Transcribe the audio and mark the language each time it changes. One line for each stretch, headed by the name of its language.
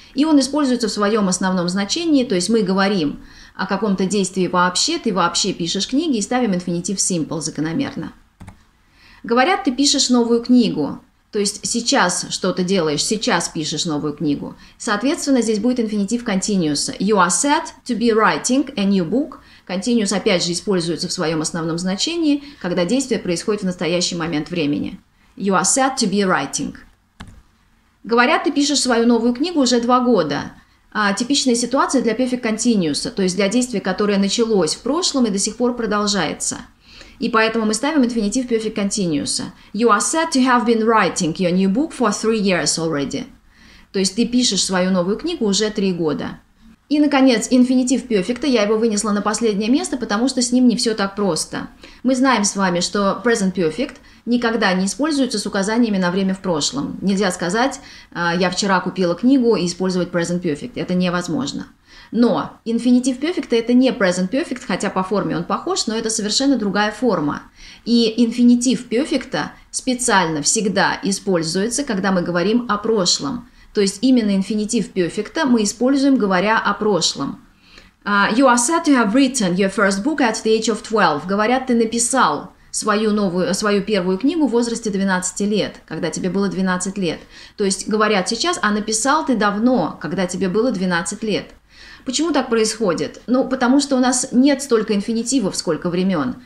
Russian: И он используется в своем основном значении, то есть мы говорим о каком-то действии вообще, ты вообще пишешь книги и ставим инфинитив simple закономерно. Говорят, ты пишешь новую книгу, то есть сейчас что-то делаешь, сейчас пишешь новую книгу. Соответственно, здесь будет инфинитив continuous.
English: You are set to be writing a new book.
Russian: Continuous опять же используется в своем основном значении, когда действие происходит в настоящий момент времени.
English: You are set to be writing.
Russian: Говорят, ты пишешь свою новую книгу уже 2 года. Типичная ситуация для perfect continuous, то есть для действия, которое началось в прошлом и до сих пор продолжается. И поэтому мы ставим инфинитив perfect continuous.
English: You are said to have been writing your new book for 3 years already.
Russian: То есть ты пишешь свою новую книгу уже 3 года. И, наконец, инфинитив перфекта, я его вынесла на последнее место, потому что с ним не все так просто. Мы знаем с вами, что present perfect никогда не используется с указаниями на время в прошлом. Нельзя сказать «я вчера купила книгу» и использовать present perfect. Это невозможно. Но инфинитив перфекта – это не present perfect, хотя по форме он похож, но это совершенно другая форма. И инфинитив перфекта специально всегда используется, когда мы говорим о прошлом. То есть именно инфинитив перфекта мы используем, говоря о прошлом.
English: You are said to have written your first book at the age of 12.
Russian: Говорят, ты написал свою первую книгу в возрасте 12 лет, когда тебе было 12 лет. То есть говорят сейчас, а написал ты давно, когда тебе было 12 лет. Почему так происходит? Ну, потому что у нас нет столько инфинитивов, сколько времен.